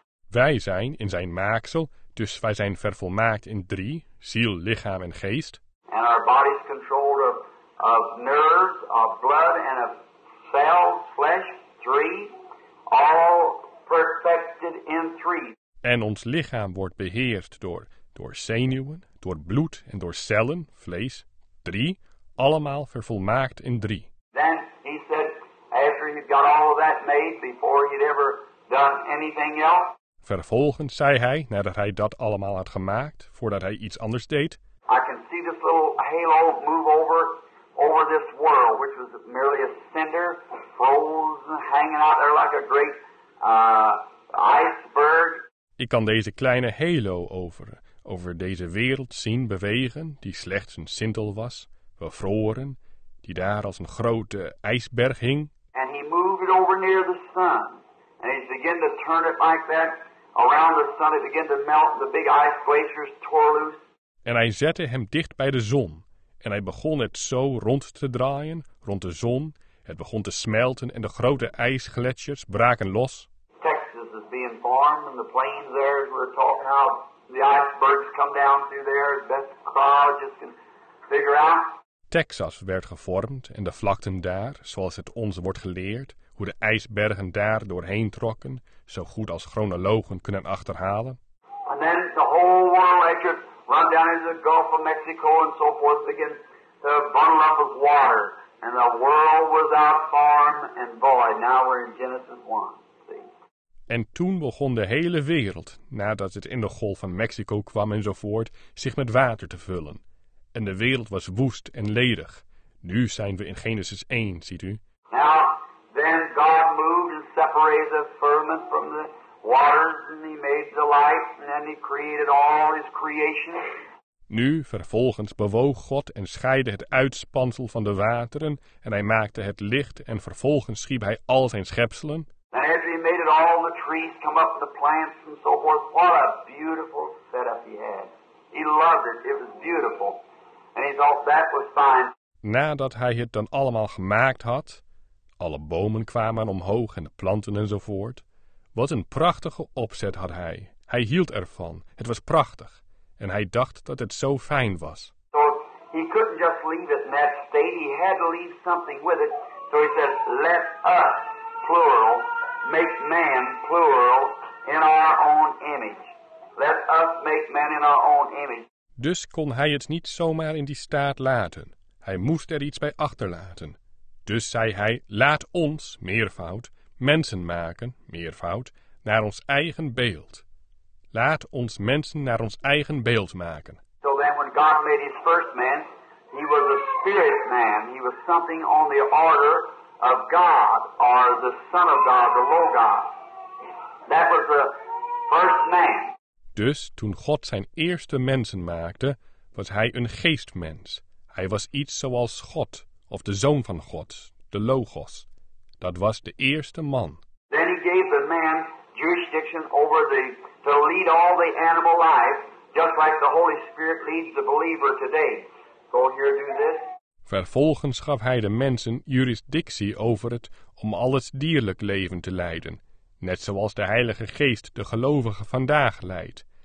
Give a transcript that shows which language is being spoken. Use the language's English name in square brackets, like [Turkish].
[Dutch] Wij zijn in zijn maaksel, dus wij zijn vervolmaakt in drie, ziel, lichaam en geest. [English] And our body's controlled of nerves, of blood and of cells, flesh, three, all perfected in three. [Dutch] En ons lichaam wordt beheerst door zenuwen, door bloed en door cellen, vlees, drie, allemaal vervolmaakt in drie. [English] Then he said, after he'd got all of that made, before he'd ever done anything else. [Dutch] Vervolgens zei hij, nadat hij dat allemaal had gemaakt, voordat hij iets anders deed. [English] I can see this little halo move over this world, which was merely a cinder, frozen, hanging out there like a great iceberg. [Dutch] Ik kan deze kleine halo over deze wereld zien bewegen, die slechts een sintel was, bevroren, die daar als een grote ijsberg hing. [English] And he moved it over near the sun. And he began to turn it like that around the sun. It began to melt, the big ice glaciers tore loose. [Dutch] En hij zette hem dicht bij de zon. En hij begon het zo rond te draaien, rond de zon. Het begon te smelten en de grote ijsgletsjers braken los. [English] Texas is being formed and the plains there as we're talking how the icebergs come down through there, as best Claude just can figure out. [Dutch] Texas werd gevormd en de vlakten daar, zoals het ons wordt geleerd, hoe de ijsbergen daar doorheen trokken, zo goed als chronologen kunnen achterhalen. [English] And then the whole world as you run down into the Gulf of Mexico and so forth begin to bundle up with water. And the world was out farm and void. Now we're in Genesis 1. [Dutch] En toen begon de hele wereld, nadat het in de Golf van Mexico kwam enzovoort, zich met water te vullen. En de wereld was woest en ledig. Nu zijn we in Genesis 1, ziet u. [English] Now, then God moved and separated the firmament from the waters, and he made the light, and then he created all his creation. [Dutch] Nu, vervolgens, bewoog God en scheidde het uitspansel van de wateren, en hij maakte het licht, en vervolgens schiep hij al zijn schepselen. [English] All the trees come up, the plants and so forth. What a beautiful setup he had. He loved it. It was beautiful. And he thought that was fine. [Dutch] Nadat hij het dan allemaal gemaakt had, alle bomen kwamen omhoog en de planten enzovoort. Wat een prachtige opzet had hij. Hij hield ervan. Het was prachtig. En hij dacht dat het zo fijn was. [English] So he couldn't just leave it in that state. He had to leave something with it. So he said, let us, plural, make man, plural, in our own image. Let us make man in our own image. [Dutch] Dus kon hij het niet zomaar in die staat laten. Hij moest er iets bij achterlaten. Dus zei hij, laat ons, meervoud, mensen maken, meervoud, naar ons eigen beeld. Laat ons mensen naar ons eigen beeld maken. [English] So then when God made his first man, he was a spirit man. He was something on the order of God, or the Son of God, the Logos. That was the first man. [Dutch] Dus toen God zijn eerste mensen maakte, was hij een geestmens. Hij was iets zoals God, of de Zoon van God, de Logos. Dat was de eerste man. [English] Then he gave the man jurisdiction over to lead all the animal life, just like the Holy Spirit leads the believer today. Go here, do this. [Dutch] Vervolgens gaf hij de mensen jurisdictie over het om al het dierlijk leven te leiden, net zoals de Heilige Geest de gelovigen vandaag leidt.